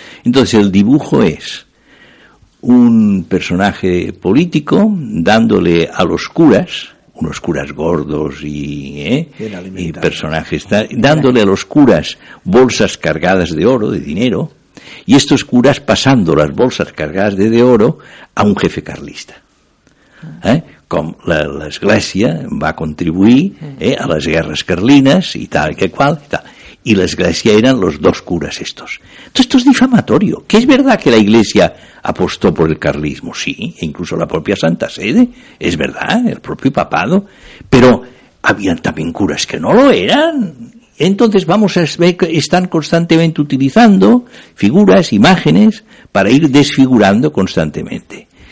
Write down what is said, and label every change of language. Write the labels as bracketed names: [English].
[Spanish] Entonces el dibujo es un personaje político dándole a los curas, unos curas gordos y personajes, dándole a los curas bolsas cargadas de oro, de dinero, y estos curas pasando las bolsas cargadas de oro a un jefe carlista. [Catalan] Com l'Església va contribuir a les guerres carlines i tal, que qual, i tal. I l'Església eren los dos curas estos. [Spanish] Entonces, esto es difamatorio. ¿Que es verdad que la Iglesia apostó por el carlismo? Sí, e incluso la propia Santa Sede, es verdad, el propio papado, pero habían también curas que no lo eran. Entonces, vamos a ver que están constantemente utilizando figuras, imágenes, para ir desfigurando constantemente.